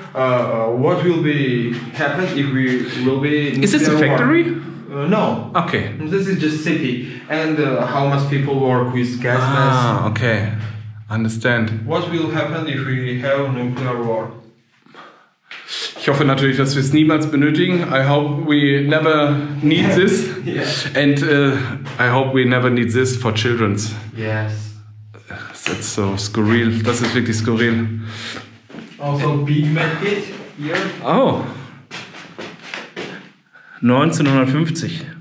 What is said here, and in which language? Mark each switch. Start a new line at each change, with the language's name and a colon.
English: What will be happen if we will be... Is this a factory? No. Okay. This is just city. And how much people work with gas masks. Ah, okay. Understand. What will happen if we have nuclear war?
German: Ich hoffe natürlich, dass wir es niemals benötigen.
English: I hope we never need this. Yeah. And I hope we never need this for children. Yes. That's so skurril.
German: Das ist wirklich skurril.
English: Also Big Mac kit here. Oh. 1950,